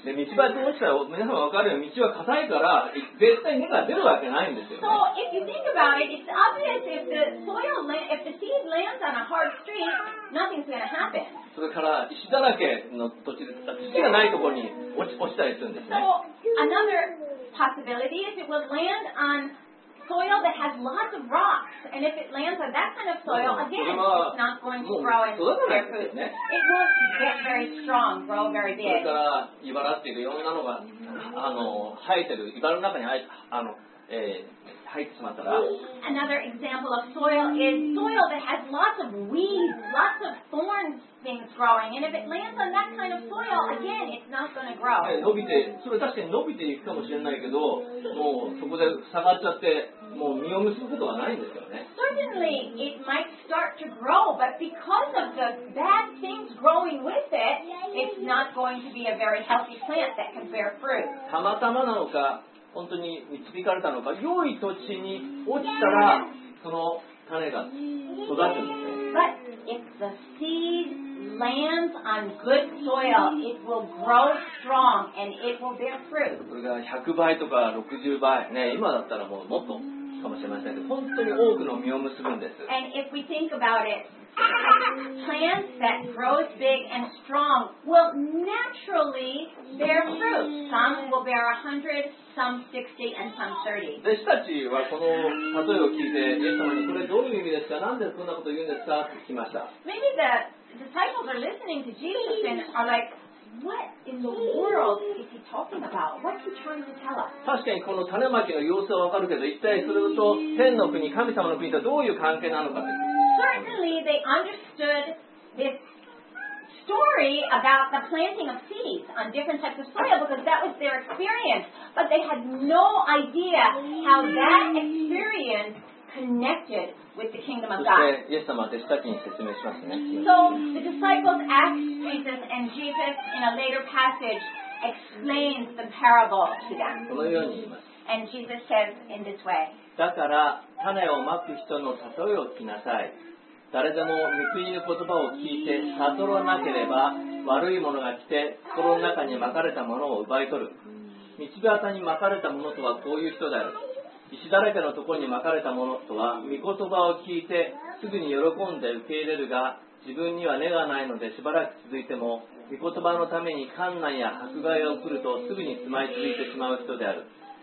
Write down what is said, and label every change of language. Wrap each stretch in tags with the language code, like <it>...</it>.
<ja>で、道端に落ちたら皆さんわかるように道は硬いから絶対根が出るわけないんですよ、ね。</ja> <en>So if you think about it, it's obvious if the seed lands on a hard street, nothing's going to happen.</en> <ja>それから石だらけの土地、土がないところに落ちたりするんですね。</ja> <en>So another possibility is it will land on soil that has lots of rocks, and if it lands on that kind of soil, again, it's not going to grow and bear fruit. It won't get very strong, grow very big.</en> <ja>それから茨っていういろんなのが生えてる茨の中に入ってしまったら。</ja> <en>Another example of soil is soil that has lots of weeds, lots of thorns. Things growing, and if it lands on that kind of soil again, it's not going to grow.</en> <ja>伸びて、それ確かに伸びていくかもしれないけど、もうそこで下がっちゃって、もう実を結ぶことはないんですよね。</ja> <en>Certainly, it might start to grow, but because of the bad things growing with it, it's not going to be a very healthy plant that can bear fruit.</en> <ja>たまたまなのか、本当に導かれたのか、良い土地に落ちたら、その種が育つんですね。</ja> <en>But if the seed lands on good soil, it will grow strong and it will bear fruit.</en> <ja>それが100倍とか60倍、ね、今だったらもうもっとかもしれませんけど、本当に多くの実を結ぶんです。</ja> <en>And if we think about it, plants that grow big and strong will naturally bear fruit. Some will bear 100, some 60, and some 30.</en> <ja>弟子たちはこの例えを聞いて、イエス様にこれどういう意味ですか？なんでそんなこと言うんですか？って聞きました。</ja> <en>Maybe the disciples are listening to Jesus and are like, what in the world is he talking about? What's he trying to tell us?</en> <ja>確かにこの種まきの様子はわかるけど、一体それと天の国、神様の国とどういう関係なのかって。</ja> <en>Certainly, they understood this story about the planting of seeds on different types of soil because that was their experience. But they had no idea how that experience connected with the kingdom of</en> <ja>God. イエス様は弟子たちに説明しますね。</ja> <en>So the disciples asked Jesus, and Jesus in a later passage explains the parable to them.</en> <ja>このように言います。</ja> <en>And Jesus says in this way.</en> <ja>だから種をまく人の例えを聞きなさい。誰でも御国の言葉を聞いて悟らなければ悪いものが来て心の中にまかれたものを奪い取る。道端にまかれたものとはこういう人である。石だらけのところにまかれたものとは御言葉を聞いてすぐに喜んで受け入れるが自分には根がないのでしばらく続いても御言葉のために艱難や迫害を送るとすぐに住まい続いてしまう人である。</ja>